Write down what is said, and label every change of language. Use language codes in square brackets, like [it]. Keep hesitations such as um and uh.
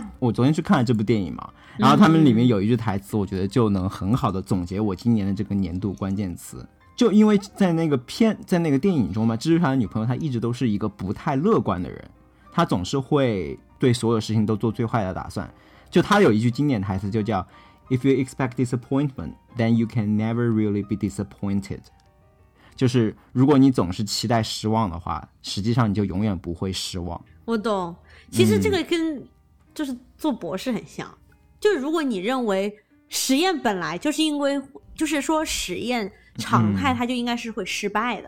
[zh] 我昨天去看了这部电影嘛，然后他们里面有一句台词，我觉得就能很好的总结我今年的这个年度关键词。就因为在那个片，在那个电影中嘛，蜘蛛侠的女朋友她一直都是一个不太乐观的人，她总是会对所有事情都做最坏的打算。就她有一句经典台词，就叫 [en] “If you expect disappointment, then you can never really be disappointed.” [zh] 就是如果你总是期待失望的话，实际上你就永远不会失望。我懂，其实这个跟、嗯、就是做博士很像，就是如果你认为实验本来就是因为就是说实验常态，它就应该是会失败的。